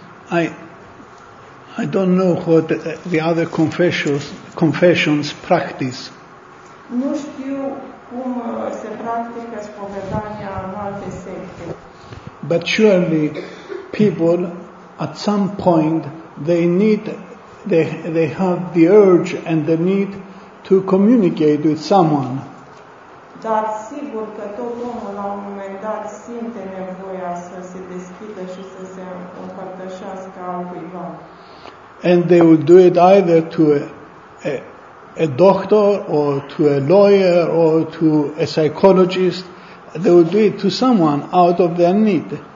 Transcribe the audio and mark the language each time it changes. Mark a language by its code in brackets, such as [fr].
[en] I don't know what the other confessions practice. [ro] Nu știu cum se practică spovedania în alte secte. [en] But surely people at some point they have the urge and the need to communicate with someone. [ro] Dar sigur că tot omul la un moment dat simte nevoia să se deschidă și să se împărtășească altcuiva. [en] And they would do it either to a doctor or to a lawyer or to a psychologist. They would do it to someone out of their need.